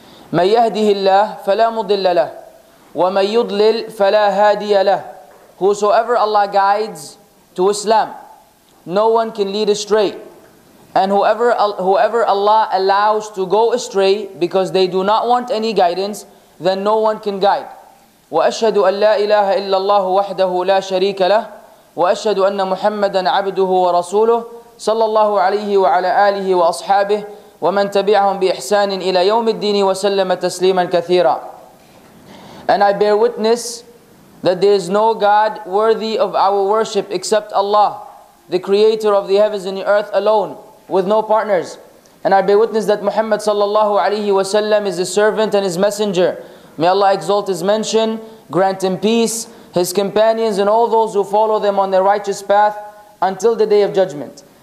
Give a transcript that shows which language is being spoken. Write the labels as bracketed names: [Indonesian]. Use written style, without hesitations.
[Arabic] مَنْ يَهْدِهِ اللَّهِ فَلَا مُضِلَّ لَهِ وَمَنْ يُضْلِلْ فَلَا هَادِيَ لَهِ. [English] Whosoever Allah guides to Islam, no one can lead astray. And whoever Allah allows to go astray because they do not want any guidance, then no one can guide. [Arabic] وأشهد أن لا إله إلا الله وحده لا شريك له وأشهد أن محمدا عبده ورسوله صلى الله عليه وعلى آله وأصحابه ومن تبعهم بإحسان إلى يوم الدين وسلم تسليما كثيرا. [English] And I bear witness that there is no God worthy of our worship except Allah, the creator of the heavens and the earth alone, with no partners. And I bear witness that Muhammad sallallahu alayhi wa sallam is his servant and his messenger. May Allah exalt his mention, grant him peace, his companions and all those who follow them on their righteous path until the day of judgment.